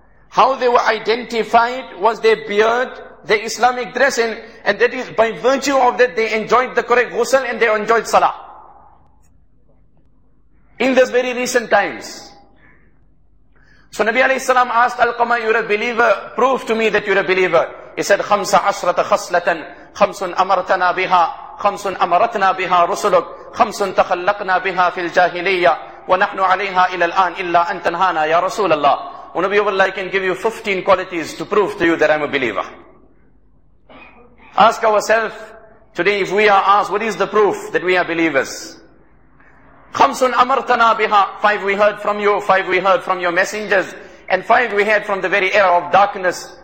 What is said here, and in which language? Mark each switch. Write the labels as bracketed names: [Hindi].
[English] How they were identified was their beard, their Islamic dressing, and that is by virtue of that they enjoyed the correct ghusl and they enjoyed salah. In this very recent times. So Nabi alayhi salam asked Alqama, you're a believer, prove to me that you're a believer. He said, [Arabic] خمسة عشرة خصلة خمس أمرتنا بها خمس أمرتنا بها رسلك خمس تخلقنا بها في الجاهلية ونحن عليها إلى الآن إلا أن تنهانا يا رسول الله. [English] O Nabi of Allah, I can give you 15 qualities to prove to you that I'm a believer. Ask ourselves today, if we are asked, what is the proof that we are believers? [Arabic] خَمْسٌ أَمَرْتَنَا بِهَا. [English] 5 we heard from you, 5 we heard from your messengers, and 5 we heard from the very era of darkness.